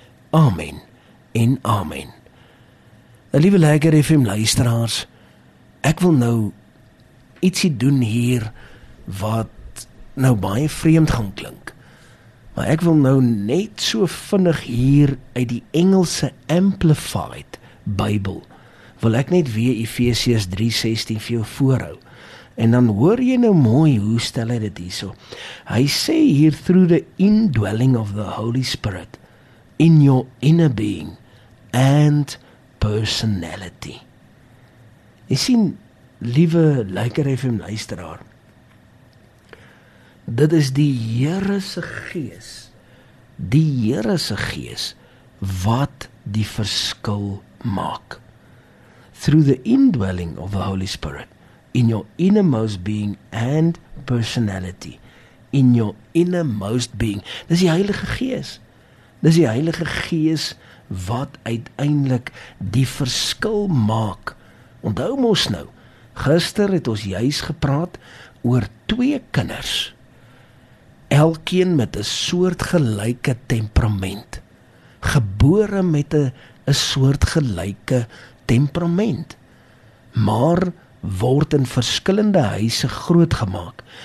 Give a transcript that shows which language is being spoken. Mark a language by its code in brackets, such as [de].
[af] Amen en amen. Liewe Lekker FM luisteraars, ek wil nou ietsie doen hier wat nou baie vreemd gaan klink. Maar ek wil nou net so vinnig hier uit die Engelse Amplified Bybel, wil ek net weer Efesiërs 3:16 vir jou voorhou. En dan hoor jy nou mooi, hoe stel hy dit hierso? Hy sê hier, [en] through the indwelling of the Holy Spirit, in your inner being and personality. [af] Jy sien, liewe Lekker FM luisteraar, dit is die Here se gees, die Here se gees, wat die verskil maak. [en] Through the indwelling of the Holy Spirit, in your innermost being and personality, in your innermost being. [af] Dis die Heilige Gees. Dis die Heilige Gees wat uiteindelik die verskil maak. Onthou mos nou, gister het ons juist gepraat oor twee kinders, elkeen met 'n soortgelyke temperament, gebore met 'n soortgelyke temperament, maar word in verskillende huise grootgemaak.